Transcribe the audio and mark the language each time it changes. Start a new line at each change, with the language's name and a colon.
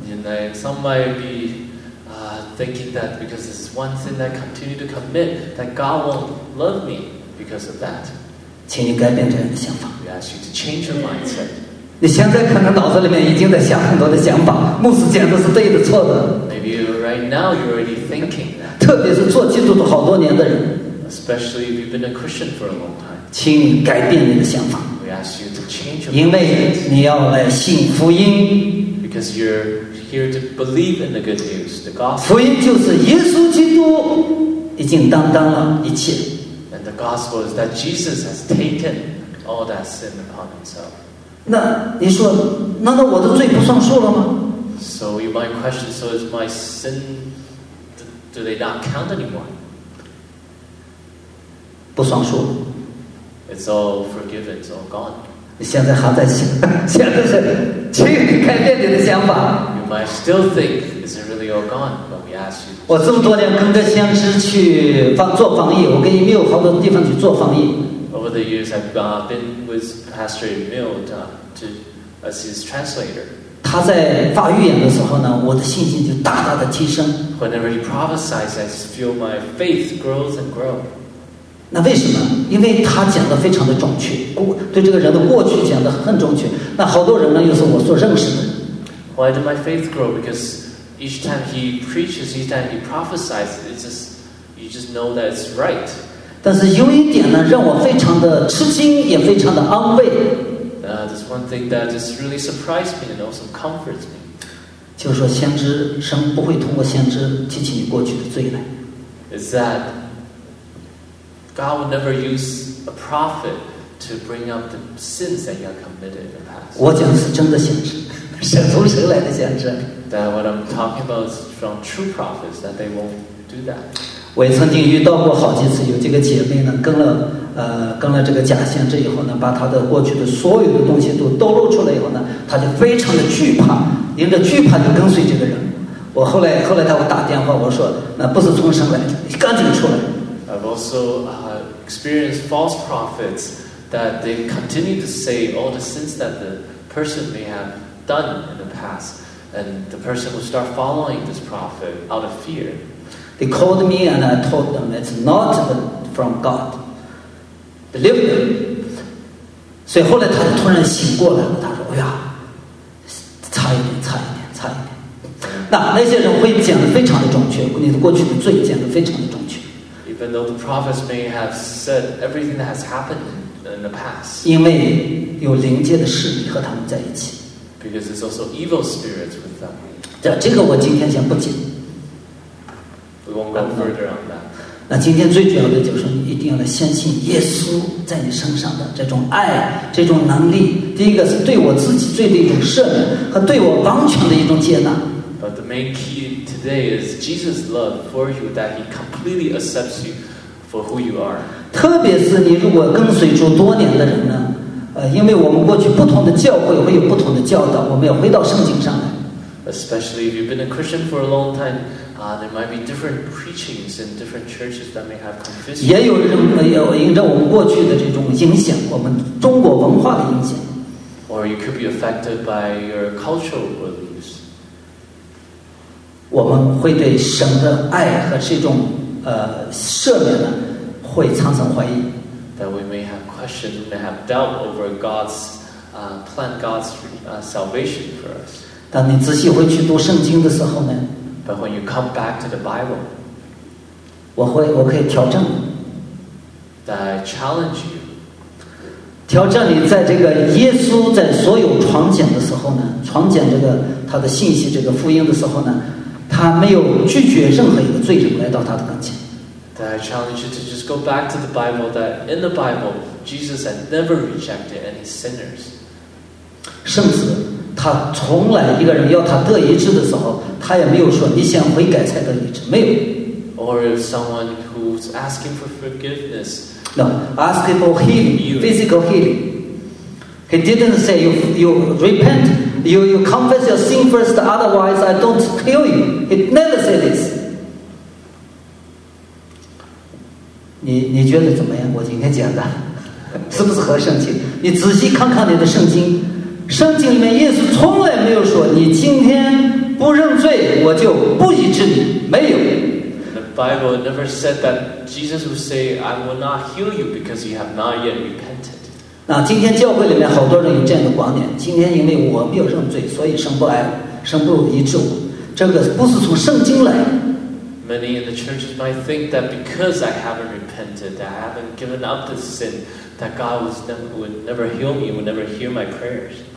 English: And some might be, thinking that because this is one sin that I continue to commit, that God won't love me because of that.
Chinese: 请你改变这样的想法。
English: We ask you to change your mindset.
Chinese: 你现在可能脑子里面已经在想很多的想法，牧师讲的是对的错的。
English: Maybe right now you're already thinking that.
Chinese: 特别是做基督徒好多年的人。
English: Especially if you've been a Christian for a long time.
Chinese: 请你改变你的想法。
English: We ask you to change your mindset.
Chinese: 因为你要来信福音。
English: Because you're here to believe in the good news, the gospel.
Chinese: 福音就是耶稣基督已经担当了一切。
English: And the gospel is that Jesus has taken all that sin upon himself.
Chinese: 那你说，难道我的罪不算数了吗？
English: So you might question, so is my sin, do they not count anymore?
Chinese: 不算数。
English: It's all forgiven, it's all gone.
Chinese: 现在还在想，现在是去改变你的想法。
English: You might still think, is it really all gone? But we ask you.
Chinese: 我这么多年跟着先知去做防疫，我跟伊缪好多地方去做防疫。
English: Over the years, I've been with Pastor Emil to as his translator.
Chinese: 他在发预言的时候呢，我的信心就大大的提升。
English: Whenever he prophesies, I just feel my faith grows and grows.
Chinese: 那为什么？因为他讲的非常的准确，对这个人的过去讲的很准确。那好多人呢，又是我所认识的。
English: Why do my faith grow? Because each time he preaches, each time he prophesies, it's just you just know that it's right.
Chinese: 但是有一点呢，让我非常的吃惊，也非常的安慰。
English: There's one thing that just really surprised me and also comforts me.
Chinese: 就是说，先知神不会通过先知提起你过去的罪来。
English: Is that God would never use a prophet to bring up the sins that you have committed in the past?
Chinese: 我讲的是真的先知，是从神来的先知。
English: That what I'm talking about is from true prophets that they won't do that.
Chinese: 我也曾经遇到过好几次，有这个姐妹呢，跟了这个假先知以后呢，把她的过去的所有的东西都透露出来以后呢，她就非常的惧怕，因着惧怕就跟随这个人。我后来她给打电话，我说那不是从神来的，你赶紧出来。
English: I've also experienced false prophets that they continue to say all the sins that the person may have done in the past, and the person will start following this prophet out of fear. They called me and I told them it's not from God. Believe me.
Chinese: 所以后来他突然醒过来了，他说：“哎呀，差一点，差一点，差一点。那”那些人会讲的非常的准确，你的过去的罪讲的非常的准确。
English: Even though the prophets may have said everything that has happened in the past,
Chinese: 因为有灵界的势力和他们在一起。
English: Because it's also evil spirits with them.
Chinese: 这个我今天先不讲。
English: We won't go further on that.
Chinese: 那今天最主要的就是你一定要来相信耶稣在你身上的这种爱，这种能力。第一个是对我自己罪的一种赦免和对我完全的一种接纳。
English: But the main key today is Jesus' love for you, that He completely accepts you for who you are.
Chinese: 特别是你如果跟随主多年的人呢，因为我们过去不同的教会会有不同的教导，我们要回到圣经上来。
English: Especially if you've been a Christian for a long time. There might be different preachings in different churches that may have confused.
Chinese: 也有人有因着我们过去的这种影响，我们中国文化的影响。
English: Or you could be affected by your cultural beliefs.
Chinese: 我们会对神的爱和这种赦免呢，会产生怀疑。
English: That we may have questions, we may have doubt over God's plan, God's salvation for us.
Chinese: 当你仔细回去读圣经的时候呢？
English: But when you come back to the Bible,
Chinese: 我可以挑战。
English: That I challenge you.
Chinese: 挑战你在这个耶稣在所有传讲的时候呢，传讲这个他的信息这个福音的时候呢，他没有拒绝任何一个罪人来到他的跟前。
English: That I challenge you to just go back to the Bible. That in the Bible, Jesus had never rejected any sinners.
Chinese: 甚至。他从来一个人要他得医治的时候，他也没有说你想悔改才得医治，没有。
English: Or if someone who's asking for forgiveness, no, asking for healing, physical healing. He didn't say you repent, you confess your sin first, otherwise I don't heal you. He never said this.
Chinese: 你觉得怎么样？我今天讲的是不是合圣经？你仔细看看你的圣经。圣经里面耶稣从来没有说你今天不认罪我就不医治你，没有。
English: The Bible never said that Jesus would say I will not heal you because you have not yet repented.
Chinese: 那今天教会里面好多人有这样的观念，今天因为我没有认罪，所以神不爱我，神不医治我，这个不是从圣经来的。
English: Many in the churches might think that because I haven't repented, that I haven't given up the sin, that God would never heal me, would never hear my prayers.